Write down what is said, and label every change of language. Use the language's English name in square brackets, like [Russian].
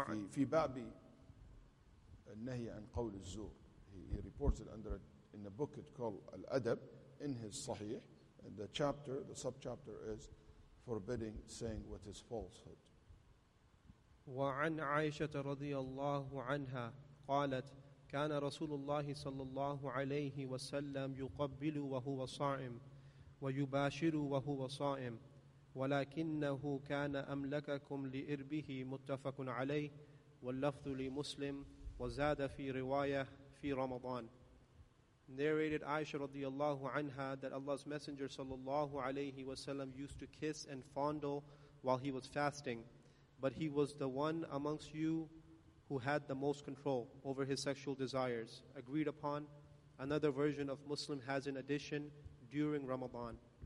[Arabic] في باب النهي عن قول الزور. [English] He reports it under in a book it's called Al-Adab in his sahih. And the chapter, the sub-chapter is forbidding saying what is falsehood. [Arabic] وعن عائشة رضي الله عنها قالت كان رسول الله صلى الله عليه وسلم يقبل وهو صائم ويباشر وهو صائم ولكنه كان أملككم لإربه متفق عليه واللفظ لمسلم وزاد في رواية في رمضان. [English] Narrated Aisha [Arabic] رضي الله عنها [English] that Allah's Messenger [Arabic] صلى الله عليه وسلم [English] used to kiss and fondle while he was fasting, but he was the one amongst you who had the most control over his sexual desires. Agreed upon. Another version of Muslim has an addition during Ramadan.